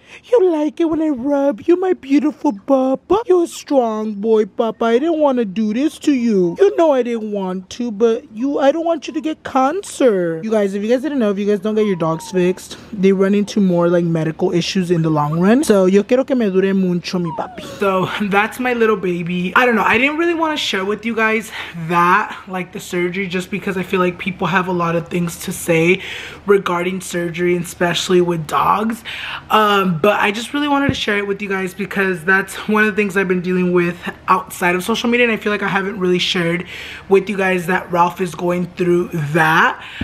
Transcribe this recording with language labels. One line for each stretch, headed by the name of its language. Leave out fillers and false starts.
English: You like it when I rub you, my beautiful papa? You're a strong boy, papa. I didn't want to do this to you. You know I didn't want to, but you, I don't want you to get cancer. You guys, if you guys didn't know, if you guys don't get your dogs fixed, they run into more, like, medical issues in the long run. So,
Spanish: yo quiero que me dure mucho, mi papi.
English: So, that's my little baby. I don't know. I didn't really want to share with you guys that, like, the surgery, just because I feel like people have a lot of things to say regarding surgery, especially with dogs. But I just really wanted to share it with you guys because that's one of the things I've been dealing with outside of social media. And I feel like I haven't really shared with you guys that Ralph is going through that.